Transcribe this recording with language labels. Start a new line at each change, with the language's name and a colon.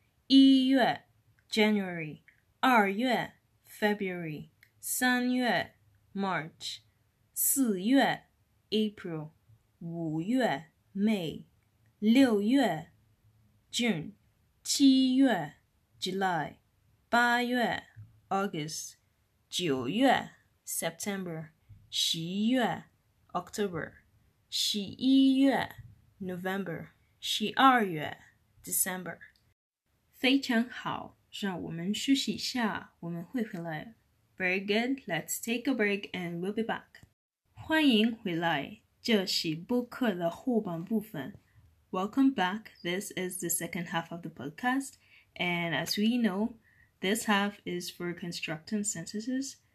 Chinese: 一月 January 二月 February 三月 March 四月 April 五月 May 六月 June 七月 July 八月 August 九月 September 十月 October 十一月 November 十二月 December 非常好，让我们休息一下，我们会回来。
English: Very good, let's take a break and we'll be back.
Chinese: 欢迎回来，这是播客的后半部分。
English: Welcome back, this is the second half of the podcast. And as we know, this half is for constructing sentences.